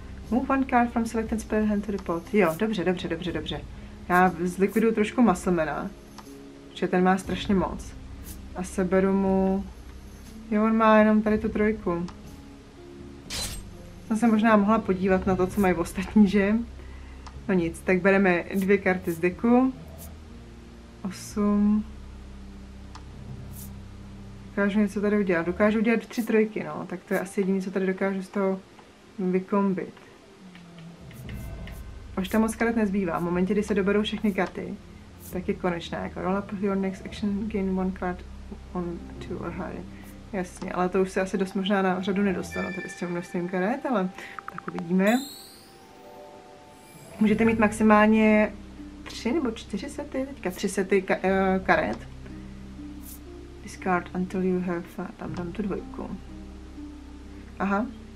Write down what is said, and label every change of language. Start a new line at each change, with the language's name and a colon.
English: Move one card from selected spell hand to the pot.
Czech: Jo, dobře. Já zlikviduju trošku Muscle Maiden, protože ten má strašně moc. A seberu mu... Jo, on má jenom tady tu trojku. Jsem se možná mohla podívat na to, co mají ostatní, že? No nic, tak bereme dvě karty z deku. 8. dokážu něco tady udělat. Dokážu udělat 3 trojky, no, tak to je asi jediné, co tady dokážu z toho vykombit. Už tam moc karet nezbývá. V momentě, kdy se doberou všechny karty, tak je konečná.
English: Jako roll up your next action, gain one card on two or higher.
Czech: Jasně, ale to už se asi dost možná na řadu nedostanu tady s těm množstvím karet, ale tak uvidíme. Můžete mít maximálně 3 nebo 4 sety, teďka 3 sety karet.
English: Discard until you have,
Czech: tam dám tu dvojku. Aha.